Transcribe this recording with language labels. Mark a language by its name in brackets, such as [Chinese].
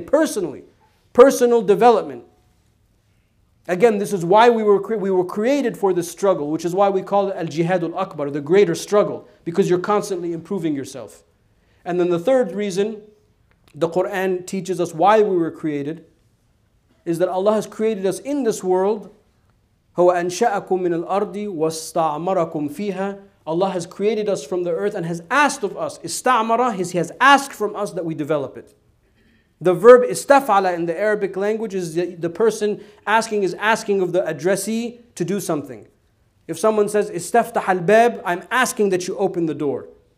[English] Personally, personal development. Again, this is why we were created for this struggle, which is why we call it al-jihad al-akbar, the greater struggle, because you're constantly improving yourself. And then the third reason the Quran teaches us why we were created is that Allah has created us in this world. [Arabic] هو أنشأكم من الأرض واستعمركم فيها. [English] Allah has created us from the earth and has asked of us. Istamara, He has asked from us that we develop it. The verb istafala in the Arabic language is the person asking is asking of the addressee to do something. If someone says istaftah al-bab, I'm asking that you open the door.